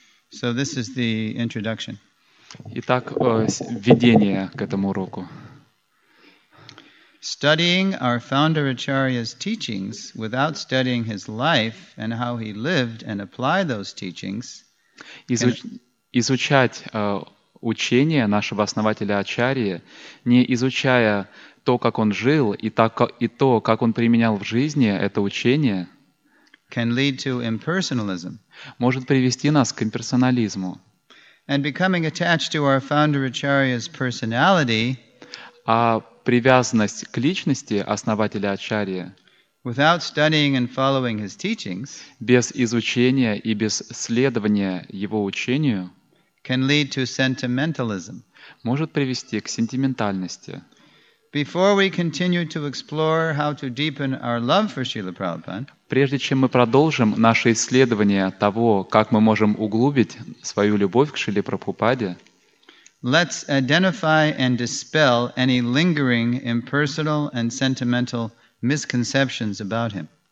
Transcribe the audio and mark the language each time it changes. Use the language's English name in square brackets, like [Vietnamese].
[English] So this is the introduction. [Russian] Итак, введение к этому уроку. [English] Studying our founder Acharya's teachings without studying his life and how he lived and apply those teachings. [Russian] Изучать учение нашего основателя Ачарьи, не изучая то, как он жил и то, как он применял в жизни это учение. [English] Can lead to impersonalism. [Russian] Может привести нас к имперсонализму. [English] And becoming attached to our founder Acharya's personality. [Russian] А привязанность к личности основателя Ачарьи. [English] Without studying and following his teachings. [Russian] Без изучения и без следования его учению. [English] Can lead to sentimentalism. [Russian] Может привести к сентиментальности. [English] Before we continue to explore how to deepen our love for Srila Prabhupada. [Russian] Прежде чем мы продолжим наше исследование того, как мы можем углубить свою любовь к Шриле Прабхупаде, [English] let's identify and dispel any lingering impersonal and sentimental misconceptions about him.